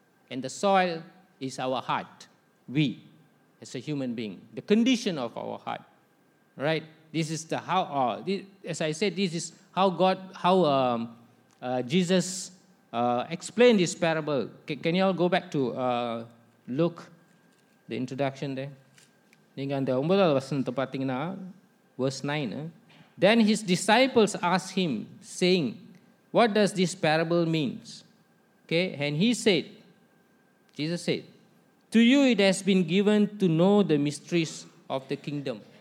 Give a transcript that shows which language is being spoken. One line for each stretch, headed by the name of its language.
English: And the soil is our heart, we, as a human being, the condition of our heart, right? This is the how, as I said, this is how God, how Jesus explained this parable. Can you all go back to Luke, the introduction there?
Tamil: நீங்கள் அந்த ஒன்பதாவது வசனத்தை பார்த்தீங்கன்னா verse nine,
English: then his disciples asked him saying, what does this parable means? Okay, and he said, Jesus said, to you it has been given to know the mysteries of the kingdom.